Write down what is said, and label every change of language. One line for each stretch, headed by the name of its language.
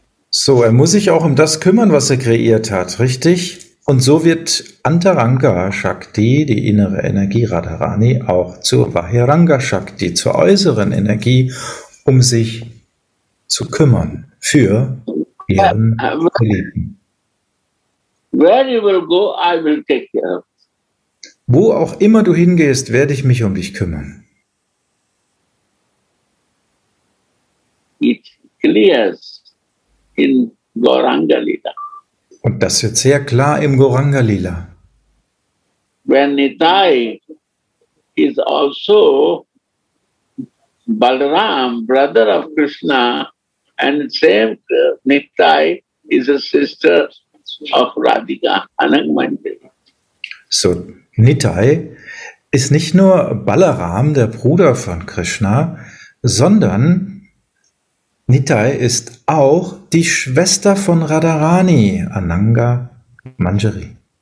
German: So, er muss sich auch um das kümmern, was er kreiert hat, richtig? Und so wird Antaranga Shakti, die innere Energie Radharani, auch zur Vahiranga Shakti, zur äußeren Energie, um sich zu kümmern für ihren Geliebten.
English: Where you will go, I will take care of.
German: Wo auch immer du hingehst, werde ich mich um dich kümmern.
English: It clears in Gauranga Lila.
German: Und das wird sehr klar im Gauranga Lila.
English: When Nitai is also Balaram, brother of Krishna, and same Nitai is a sister of Radhika Anangmande.
German: So Nittai ist nicht nur Balaram, der Bruder von Krishna, sondern Nittai ist auch die Schwester von Radharani, Ananga Manjari.